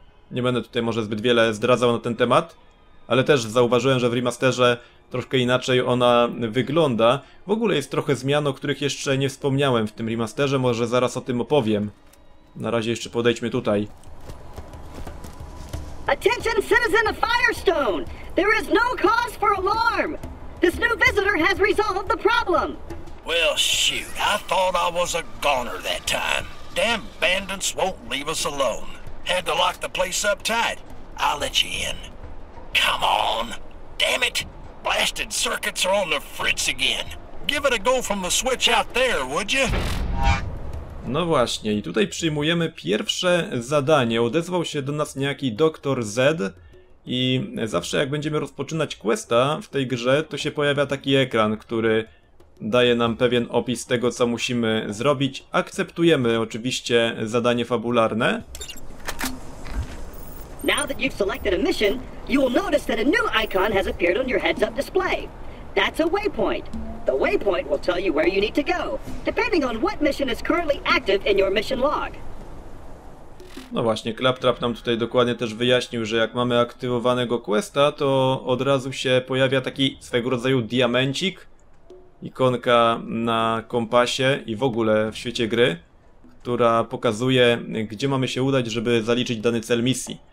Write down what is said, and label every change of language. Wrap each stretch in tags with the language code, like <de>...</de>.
<pl>Nie będę tutaj może zbyt wiele zdradzał na ten temat, ale też zauważyłem, że w remasterze troszkę inaczej ona wygląda. W ogóle jest trochę zmian, o których jeszcze nie wspomniałem w tym remasterze. Może zaraz o tym opowiem. Na razie jeszcze podejdźmy tutaj.</pl> <en>Attention, citizen of Firestone! There is no cause for alarm! This new visitor has resolved the problem! Well, shoot, I thought I was a goner that time. Damn bandits won't leave us alone. Had to lock the place up tight. I'll let you in. Come on. Damn it. Blasted circuits are on the fritz again. Give it a go from the switch out there, would you?</en> <pl>No właśnie, i tutaj przyjmujemy pierwsze zadanie. Odezwał się do nas niejaki Dr. Z i zawsze jak będziemy rozpoczynać questa w tej grze, to się pojawia taki ekran, który daje nam pewien opis tego, co musimy zrobić. Akceptujemy oczywiście zadanie fabularne.</pl> <en>Now that you've selected a mission, you will notice that a new icon has appeared on your heads-up display. That's a waypoint. The waypoint will tell you where you need to go, depending on what mission is currently active in your mission log.</en> <pl>No właśnie, Claptrap nam tutaj dokładnie też wyjaśnił, że jak mamy aktywowanego questa, to od razu się pojawia taki swego rodzaju diamencik, ikonka na kompasie i w ogóle w świecie gry, która pokazuje, gdzie mamy się udać, żeby zaliczyć dany cel misji.</pl>